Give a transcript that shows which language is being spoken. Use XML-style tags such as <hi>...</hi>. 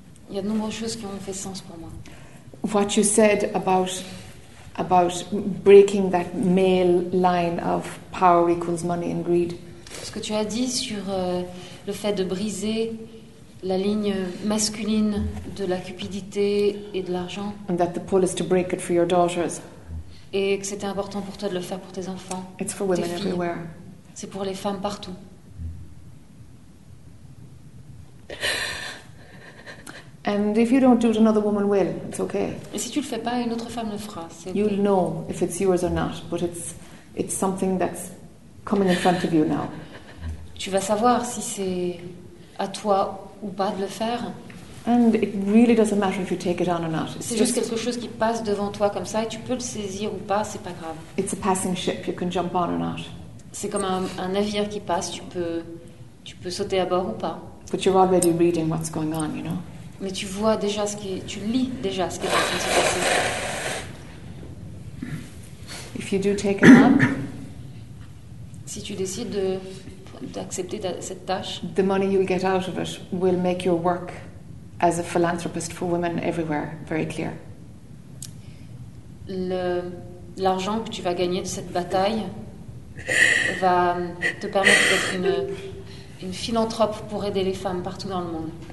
<fr>Il y a de nombreuses choses qui ont fait sens pour moi.</fr> <en>What you said about breaking that male line of power equals money and greed.</en> <fr>Ce que tu as dit sur le fait de briser la ligne masculine de la cupidité et de l'argent.</fr> <en>And that the pull is to break it for your daughters.</en> <fr>Et que c'était important pour toi de le faire pour tes enfants.</fr> <en>It's for women everywhere.</en> <fr>C'est pour les femmes partout.</fr> <en>And if you don't do it, another woman will. It's okay.</en> <fr>Et si tu le fais pas, une autre femme le fera. C'est okay.</fr> <en>You'll know if it's yours or not, but it's something that's coming in front of you now.</en> <fr>Tu vas savoir si c'est à toi ou pas de le faire.</fr> <en>And it really doesn't matter if you take it on or not.</en> <fr>C'est juste quelque chose qui passe devant toi comme ça et tu peux le saisir ou pas, c'est pas grave.</fr> <en>It's a passing ship, you can jump on or not.</en> <fr>C'est comme un navire qui passe, tu peux sauter à bord ou pas.</fr> <en>But you're already reading what's going on, you know.</en> <fr>Mais tu vois déjà tu lis déjà ce qui est en train de se passer.</fr> <en>If you do take it on,</en> <fr>si tu décides de d'accepter cette tâche.</fr> <en>The money you'll get out of it will make your work as a philanthropist for women everywhere very clear.</en> <fr>L'argent que tu vas gagner de cette bataille va te permettre d'être une philanthrope pour aider les femmes partout dans le monde.</fr>